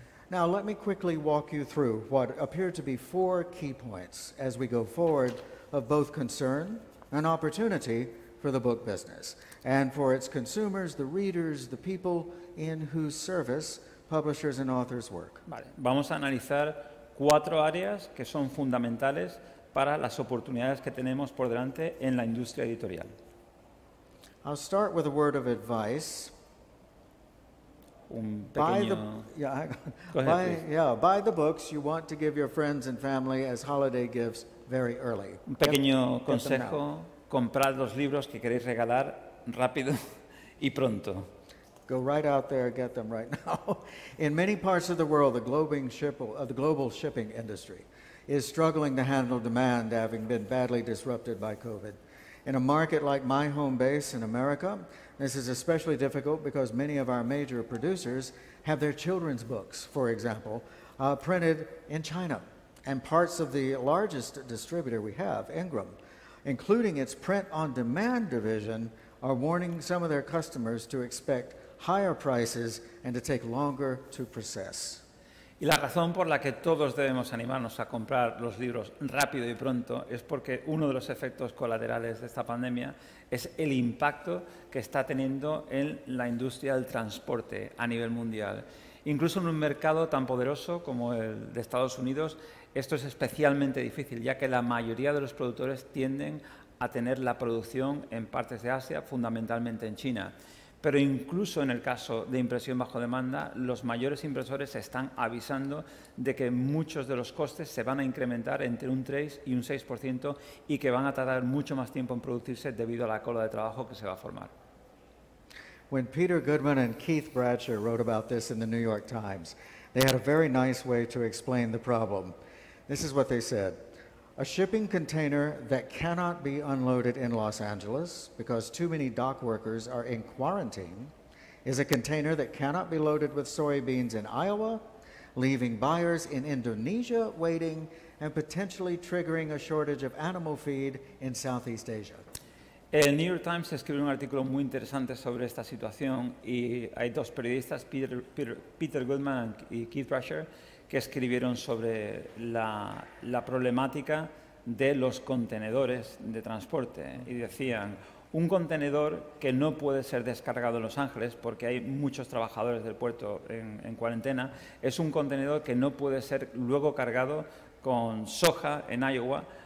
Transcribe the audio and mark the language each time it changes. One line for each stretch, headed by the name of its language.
English: Now, let me quickly walk you through what appear to be 4 key points as we go forward of both concern and opportunity for the book business and for its consumers, the readers, the people in whose service publishers and authors work.
Spanish: Vale. Vamos a analizar cuatro áreas que son fundamentales para las oportunidades que tenemos por delante en la industria editorial.
English: I'll start with a word of advice. Buy the books you want to give your friends and family as holiday gifts very early.
Spanish: Un pequeño consejo, comprad los libros que queréis regalar rápido y pronto.
English: Go right out there and get them right now. In many parts of the world, the global shipping industry is struggling to handle demand, having been badly disrupted by COVID. In a market like my home base in America, this is especially difficult because many of our major producers have their children's books, for example, printed in China. And parts of the largest distributor we have, Ingram, including its print-on-demand division, are warning some of their customers to expect higher prices and to take longer to process.
Spanish: Y la razón por la que todos debemos animarnos a comprar los libros rápido y pronto es porque uno de los efectos colaterales de esta pandemia es el impacto que está teniendo en la industria del transporte a nivel mundial. Incluso en un mercado tan poderoso como el de Estados Unidos, esto es especialmente difícil, ya que la mayoría de los productores tienden a tener la producción en partes de Asia, fundamentalmente en China. Pero incluso en el caso de impresión bajo demanda, los mayores impresores están avisando de que muchos de los costes se van a incrementar entre un 3 y un 6% y que van a tardar mucho más tiempo en producirse debido a la cola de trabajo que se va a formar.
English: When Peter Goodman and Keith Bradshaw wrote about this in the New York Times, they had a very nice way to explain the problem. This is what they said. A shipping container that cannot be unloaded in Los Angeles because too many dock workers are in quarantine is a container that cannot be loaded with soybeans in Iowa, leaving buyers in Indonesia waiting and potentially triggering a shortage of animal feed in Southeast Asia.
Spanish: El New York Times escribió un artículo muy interesante sobre esta situación y hay dos periodistas, Peter Goodman y Keith Rusher, que escribieron sobre la problemática de los contenedores de transporte. Y decían, un contenedor que no puede ser descargado en Los Ángeles, porque hay muchos trabajadores del puerto en cuarentena, es un contenedor que no puede ser luego cargado con soja en Iowa